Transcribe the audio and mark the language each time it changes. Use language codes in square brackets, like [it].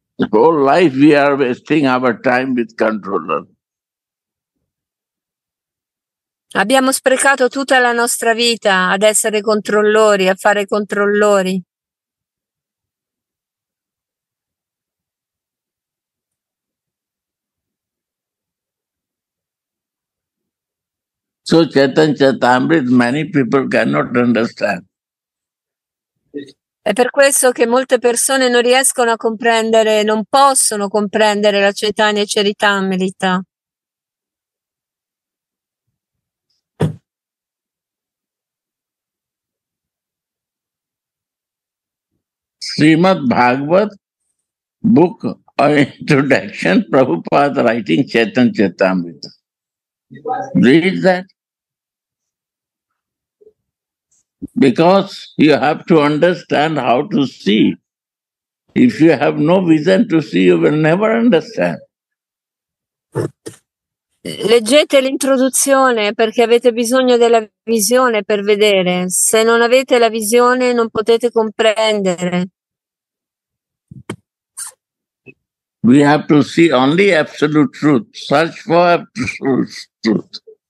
[en] Whole life we are wasting our time with controller. [it] Abbiamo sprecato tutta la nostra vita ad essere controllori, a fare controllori. [en] So Chaitanya Charitamrita many people cannot understand. [it] È per questo che molte persone non riescono a comprendere, non possono comprendere la Chaitanya Charitamrita. [en] Srimad Bhagavat book or introduction, Prabhupada writing Chaitanya Charitamrita. Read that. Because you have to understand how to see. If you have no vision to see, you will never understand. [it] Leggete l'introduzione perché avete bisogno della visione per vedere. Se non avete la visione, non potete comprendere. [en] We have to see only absolute truth. Search for absolute truth.